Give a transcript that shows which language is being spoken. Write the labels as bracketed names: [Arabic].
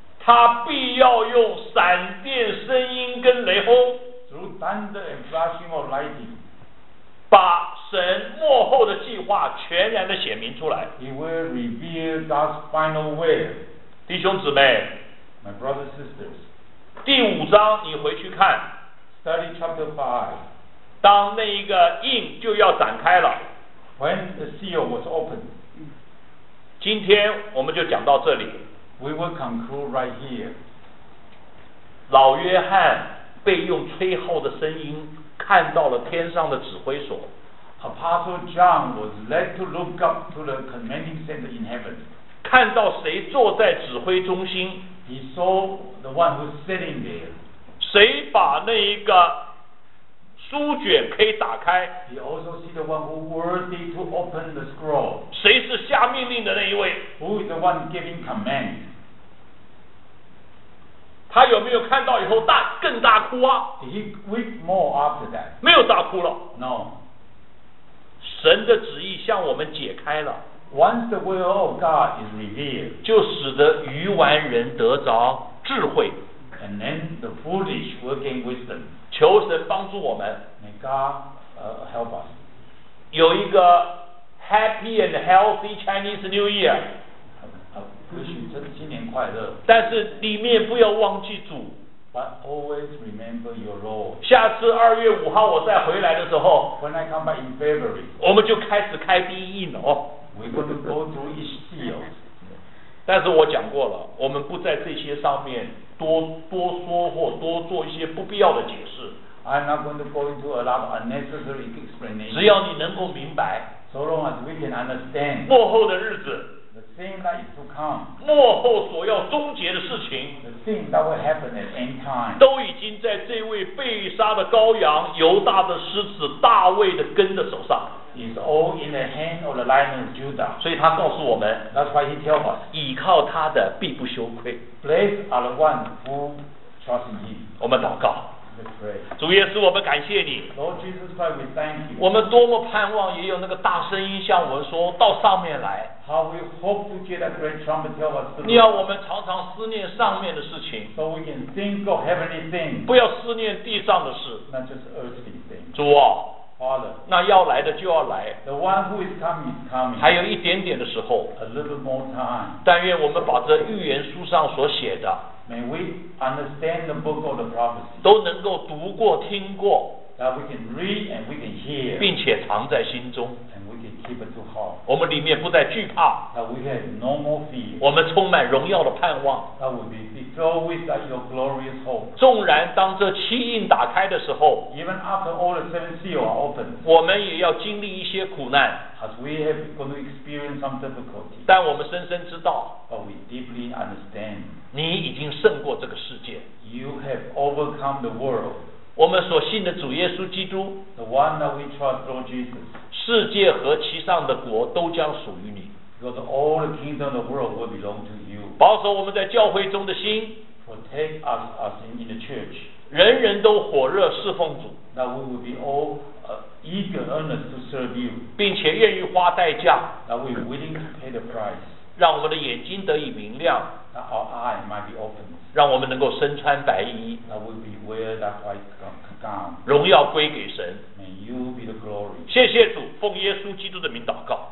[Chinese] 他必要用闪电声音跟雷轰 [English] ，through thunder and flashing of lightning， [Chinese] 把神末后的计划全然的显明出来。 [English] He will reveal God's final will. [Chinese] 弟兄姊妹 [English] ，My brothers and sisters， [Chinese] 第五章你回去看 [English] ，Study chapter five， [Chinese] 当那一个印就要展开了。 [English] When the seal was opened, [Chinese] 今天我们就讲到这里。 [English] We will conclude right here. [Chinese] 老约翰被用吹号的声音看到了天上的指挥所。 [English] Apostle John was led to look up to the commanding center in heaven. [Chinese] 看到谁坐在指挥中心。 [English] He saw the one who's sitting there. [Chinese] 谁把那一个书卷可以打开。 [English] He also see the one who worthy to open the scroll. [Chinese] 谁是下命令的那一位。 [English] Who is the one giving command? [Chinese] 他有没有看到以后大更大哭啊？ [English] Did he weep more after that? [Chinese] 没有大哭了。 [English] No. [Chinese] 神的旨意向我们解开了。 [English] Once the will of God is revealed, [Chinese] 就使得愚顽人得着智慧。 [English] And then the foolish will gain wisdom. [Chinese] 求神帮助我们。 [English] May God, help us. [Chinese] 有一个 [English] happy and healthy Chinese New Year. [Chinese] 真是新年快乐，但是里面不要忘记主。 [English] But always remember your Lord. [Chinese] 下次二月五号我再回来的时候 [English] ，When I come back in February， [Chinese] 我们就开始开第一印哦。 [English] We're going to go through each seal. [Chinese] 但是我讲过了，我们不在这些上面多说或多做一些不必要的解释。 [English] I'm not going to go into a lot of unnecessary explanation. [Chinese] 只要你能够明白 [English] ，So long as we can understand. [Chinese] 末后的日子。 [English] The thing that is to come, [Chinese] 末后所要终结的事情 [English] the thing that will happen at any time, [Chinese] 都已经在这位被杀的羔羊犹大的狮子大卫的根的手上 [English] is all in the hand of the lion of Judah. [Chinese] 所以他告诉我们 [English] That's why he tells us, [Chinese] 倚靠他的必不羞愧 [English] Blessed are the ones who trust in him. [Chinese] 我们祷告 [English] Let's pray. [Chinese] 主耶稣我们感谢你 [English] Lord Jesus Christ we thank you. [Chinese] 我们多么盼望也有那个大声音向我们说到上面来 [English] How we hope to get a great trumpet to tell us to do. [Chinese] 你要我们常常思念上面的事情。 [English] So we can think of heavenly things. [Chinese] 不要思念地上的事。那就是 [English] earthly things. [Chinese] 主啊。 [English] Father. [Chinese] 那要来的就要来。 [English] The one who is coming is coming. [Chinese] 还有一点点的时候。 [English] A little more time. [Chinese] 但愿我们把这预言书上所写的。 [English] May we understand the book of the prophecy. [Chinese] 都能够读过听过。 [English] That we can read and we can hear. [Chinese] 并且藏在心中。 [English] Keep it to heart. [Chinese] 我们里面不再惧怕 [English] that we have no more fear. [Chinese] 我们充满荣耀的盼望 [English] that we be filled with your glorious hope. [Chinese] 纵然当这七印打开的时候 [English] Even after all the seven seals are open, [Chinese] 我们也要经历一些苦难 [English] as we have going to experience some difficulty. [Chinese] 但我们深深知道 [English] but we deeply understand. [Chinese] 你已经胜过这个世界 [English] You have overcome the world. [Chinese] 我们所信的主耶稣基督 [English] the one that we trust, Lord Jesus. [Chinese] 世界和其上的国都将属于你。 [English] Because all the kingdom of the world will belong to you. [Chinese] 保守我们在教会中的心。 [English] Protect us in the church. [Chinese] 人人都火热侍奉主。 [English] That we will be all eager earnest to serve you. [Chinese] 并且愿意花代价。 [English] That we are willing to pay the price. [Chinese] 让我们的眼睛得以明亮。 [English] That our eye might be opened. [Chinese] 让我们能够身穿白衣。 [English] That we be wear that white gown. [Chinese] 荣耀归给神 [English] May you be the glory. [Chinese] 谢谢主奉耶稣基督的名祷告